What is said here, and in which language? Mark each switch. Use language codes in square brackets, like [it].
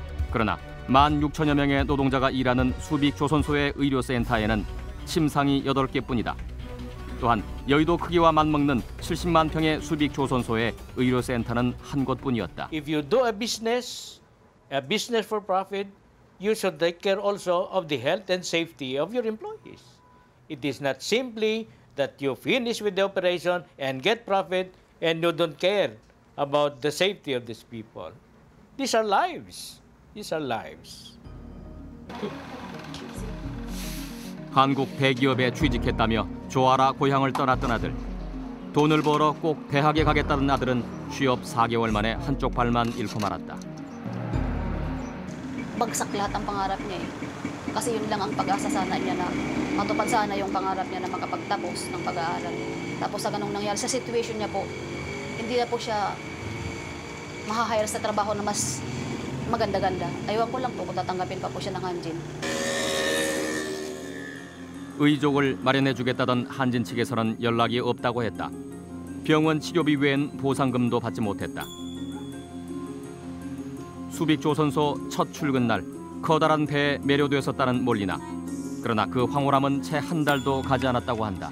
[ko] 그러나 1만 6천여 명의 노동자가 일하는 수빅 조선소의 의료센터에는 침상이 8개뿐이다. 또한 여의도 크기와 맞먹는 70만 평의 수빅 조선소의 의료센터는 한 곳뿐이었다. [en] If you do a business for profit, you should take care also of the health and safety of your employees. It is not simply that you finish with the operation and get profit and you don't care about the safety of these people. These are lives. These are lives. [ko] 한국 대기업에 취직했다며 조아라 고향을 떠났던 아들. 돈을 벌어 꼭 대학에 가겠다는 아들은 취업 4개월 만에 한쪽 발만 잃고 말았다. [tl] bagsak lahat ang pangarap niya eh. Kasi yun lang ang pag-asa sana niya na matupad sana yung pangarap niya na makapagtapos ng pag-aaral. Tapos sa ganung nangyari sa situation niya po, hindi na po siya mahahire sa trabaho na mas maganda-ganda. Aywan ko lang po kung tatanggapin pa po siya ng Hanjin. [ko] 의족을 마련해주겠다던 한진 측에서는 연락이 없다고 했다. 병원 치료비 외엔 보상금도 받지 못했다. 수빅조선소 첫 출근 날 커다란 배에 매료되었었다는 몰리나. 그러나 그 황홀함은 채 한 달도 가지 않았다고 한다.